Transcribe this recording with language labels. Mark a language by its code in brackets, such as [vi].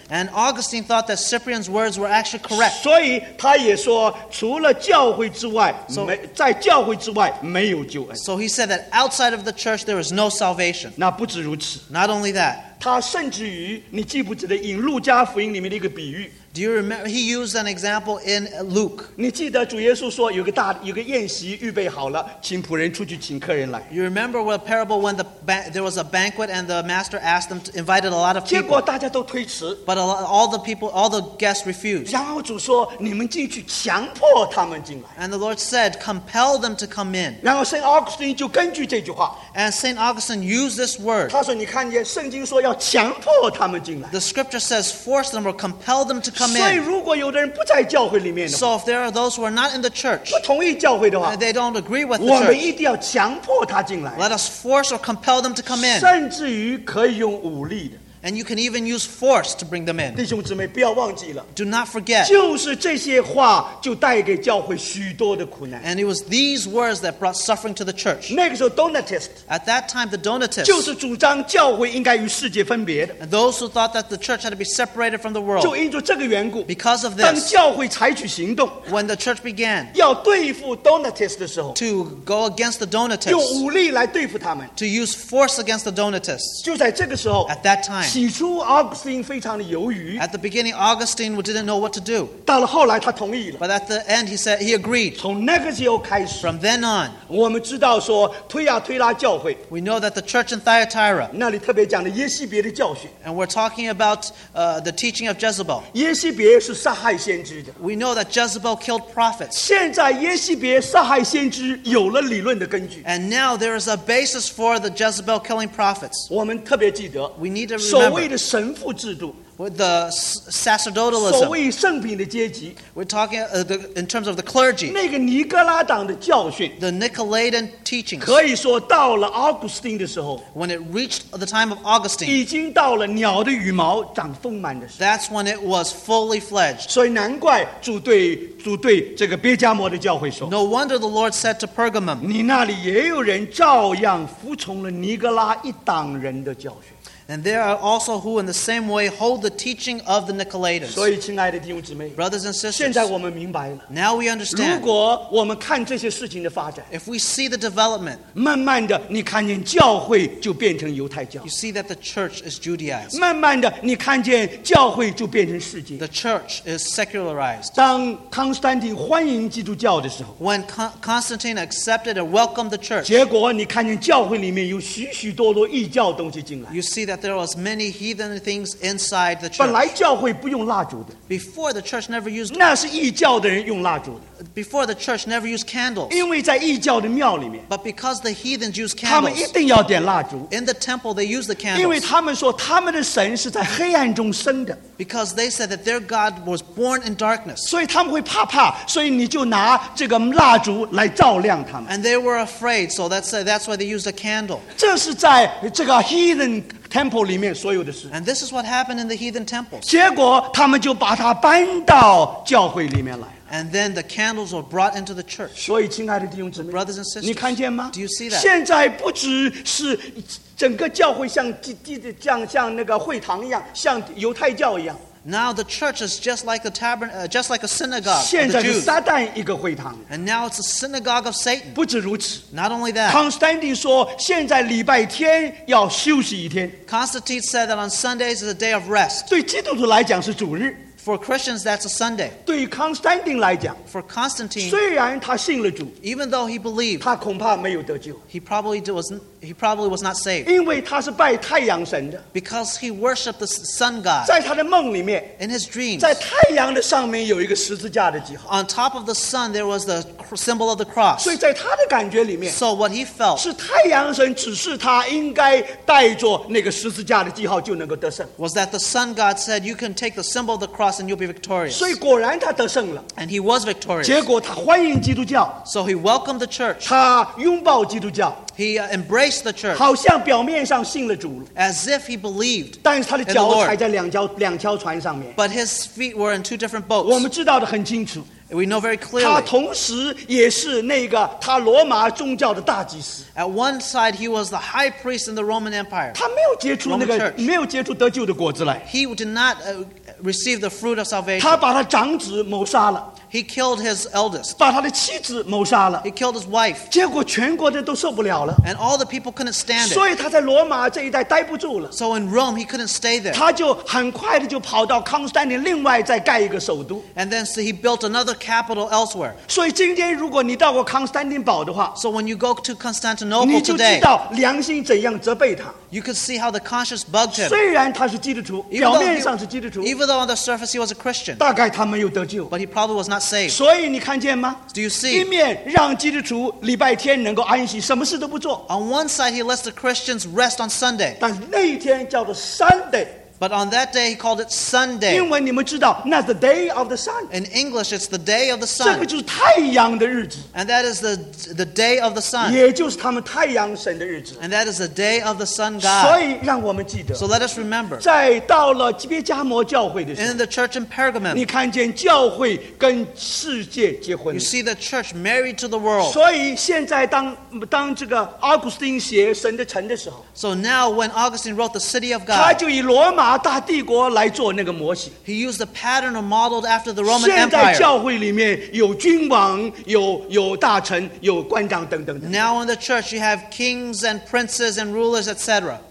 [en] And Augustine thought that Cyprian's words were actually correct. [zh] 所以他也说，除了教会之外，在教会之外没有救恩。 [en] So he said that outside of the church there is no salvation. [zh] 那不止如此。 [en] Not only that. [zh] 他甚至于，你记不记得引路加福音里面的一个比喻？ [en] Do you remember? He used an example in Luke. [zh] 你记得主耶稣说有个宴席预备好了，请仆人出去请客人来。 [en] You remember the parable when there was a banquet and the master asked them to invite a lot of people. [zh] 结果大家都推辞。 [en] But all the guests refused. [zh] 然后主说你们进去强迫他们进来。 [en] And the Lord said, compel them to come in. [zh] 然后 Saint Augustine 就根据这句话。 [en] And Saint Augustine used this word. [zh] 他说你看见圣经说要强迫他们进来。 [en] The Scripture says force them or compel them to come in. So if there are those who are not in the church, and they don't agree with the church, let us force or compel them to come in. [zh] 甚至于可以用武力的。 [en] And you can even use force to bring them in. [zh] 弟兄姊妹，不要忘记了。 [en] Do not forget. [zh] 就是这些话就带给教会许多的苦难。 [en] And it was these words that brought suffering to the church. [zh] 那个时候 Donatist. [en] At that time, the Donatist. [zh] 就是主张教会应该与世界分别的。 [en] And those who thought that the church had to be separated from the world. [zh] 就因着这个缘故。 [en] Because of this. [zh] 当教会采取行动。 [en] When the church began. [zh] 要对付 Donatist 的时候。 [en] To go against the Donatists. [zh] 用武力来对付他们。 [en] To use force against the Donatists. [zh] 就在这个时候。 [en] At that time. [zh] 起初 Augustine 非常的犹豫。 [en] At the beginning, Augustine didn't know what to do. [zh] 到了后来他同意了。 [en] But at the end, he said he agreed. [zh] 从那个时候开始。 [en] From then on. [zh] 我们知道说推亚推拉教会。 [en] We know that the church in Thyatira. [zh] 那里特别讲的耶西别的教训。 [en] And we're talking about the teaching of Jezebel. [zh] 耶西别是杀害先知的。 [en] We know that Jezebel killed prophets. [zh] 现在耶西别杀害先知有了理论的根据。 [en] And now there is a basis for the Jezebel killing prophets. [zh] 我们特别记得。 [en] We need to remember. [zh] 所谓的神父制度 [en] with the sacerdotalism [zh] 所谓圣品的阶级 [en] we're talking in terms of the clergy [zh] 那个尼格拉党的教训 [en] the Nicolaitan teachings [zh] 可以说到了 Augustine 的时候 [en] when it reached the time of Augustine [zh] 已经到了鸟的羽毛长丰满的时候 [en] that's when it was fully fledged [zh] 所以难怪主对这个别加摩的教会说 [en] no wonder the Lord said to Pergamum [zh] 你那里也有人照样服从了尼格拉一党人的教训 [en] And there are also who in the same way hold the teaching of the Nicolaitans. [zh] 所以亲爱的弟兄姊妹 [en] Brothers and sisters, [zh] 现在我们明白了 [en] Now we understand. [zh] 如果我们看这些事情的发展 [en] If we see the development, [zh] 慢慢的你看见教会就变成犹太教 [en] You see that the church is Judaized. [zh] 慢慢的你看见教会就变成世界 [en] The church is secularized. [zh] 当康斯坦丁欢迎基督教的时候 [en] When Constantine accepted and welcomed the church, [zh] 结果你看见教会里面有许许多多异教东西进来 [en] You see that there was many heathen things inside the church. Before the church never used [zh] 那是异教的人用蜡烛的。 [en] Before the church never used candles. [zh] 因为在异教的庙里面。 [en] But because the heathens used candles. [zh] 他们一定要点蜡烛。 [en] In the temple they used the candles. [zh] 因为他们说他们的神是在黑暗中生的。 [en] Because they said that their God was born in darkness. [zh] 所以他们会怕怕所以你就拿这个蜡烛来照亮他们。 [en] And they were afraid so that's why they used a candle. [zh] 这是在这个 [en] heathen temple [zh] 里面所有的事。 [en] And this is what happened in the heathen temples. [zh] 结果他们就把它搬到教会里面来。 [en] And then the candles were brought into the church. [zh] 所以亲爱的弟兄姊妹 [en] brothers and sisters, [zh] 你看见吗 [en] do you see that? [zh] 现在不只是整个教会像那个会堂一样像犹太教一样。 [en] Now the church is just like a synagogue. [zh] 现在是撒旦一个会堂。 [en] And now it's a synagogue of Satan. [zh] 不止如此。 [en] Not only that. [zh] Constantine 说现在礼拜天要休息一天。 [en] Constantine said that on Sundays is a day of rest. [zh] 对基督徒来讲是主日。 [en] For Christians, that's a Sunday. [zh] 对于 Constantine 来讲 [en] For Constantine, [zh] 虽然他信了主 [en] even though he believed, [zh] 他恐怕没有得救 [en] He probably was not saved. [zh] 因为他是拜太阳神的 [en] Because he worshipped the sun god. [zh] 在他的梦里面 [en] In his dreams, [zh] 在太阳的上面有一个十字架的记号 [en] On top of the sun, there was the symbol of the cross. [zh] 所以在他的感觉里面 [en] So what he felt, [zh] 是太阳神指示他应该带着那个十字架的记号就能够得胜 [en] was that the sun god said, you can take the symbol of the cross and you'll be victorious. [zh] 所以果然他得胜了。 [en] And he was victorious. [zh] 结果他欢迎基督教。 [en] So he welcomed the church. [zh] 他拥抱基督教。 [en] He embraced the church. [zh] 好像表面上信了主。 [en] As if he believed. [zh] 但是他的脚踩在两条船上面。 [en] But his feet were in two different boats. [zh] 我们知道的很清楚。 [en] We know very clearly. [zh] 他同时也是那个他罗马宗教的大祭司。 [en] At one side, he was the high priest in the Roman Empire. [zh] 他没有结出那个没有结出得救的果子来。 [en] He did not receive the fruit of salvation. [zh] 他把他长子谋杀了。 [en] He killed his eldest. [zh] 把他的妻子谋杀了。 [en] He killed his wife. [zh] 结果全国的都受不了了。 [en] And all the people couldn't stand it. [zh] 所以他在罗马这一带待不住了。 [en] So in Rome, he couldn't stay there. [zh] 他就很快的就跑到康斯坦丁另外再盖一个首都。 [en] And then so he built another capital elsewhere. [zh] 所以今天如果你到过康斯坦丁堡的话 [en] So when you go to Constantinople today, [zh] 你就知道良心怎样责备他。 [en] You could see how the conscience bugged him. [zh] 虽然他是基督徒，表面上是基督徒。 [en] Even though on the surface he was a Christian. [zh] 大概他没有得救。 [en] But he probably was not saved. [zh] 所以你看见吗？ [en] Do you see? [zh] 一面让基督徒礼拜天能够安息，什么事都不做。 [en] On one side he lets the Christians rest on Sunday. [zh] 但那一天叫做 Sunday. [en] But on that day he called it Sunday. [zh] 因为你们知道，那是 [en] the day of the sun. In English it's the day of the sun. [zh] 这个就是太阳的日子。 [en] And that is the day of the sun. [zh] 也就是他们太阳神的日子。 [en] And that is the day of the sun God. [zh] 所以让我们记得。 [en] So let us remember. [zh] 在到了基别加摩教会的时候。 [en] In the church in Pergamum. [zh] 你看见教会跟世界结婚。 [en] You see the church married to the world. [zh] 所以现在当这个奥古斯丁写神的城的时候。 [en] So now when Augustine wrote the city of God. [zh] 他就以罗马大帝国来做那个模型。 [en] He used the pattern or modeled after the Roman Empire. [zh] 现在教会里面有君王，有大臣，有官长等等。 [en] Now in the church, you have kings and princes and rulers, etc.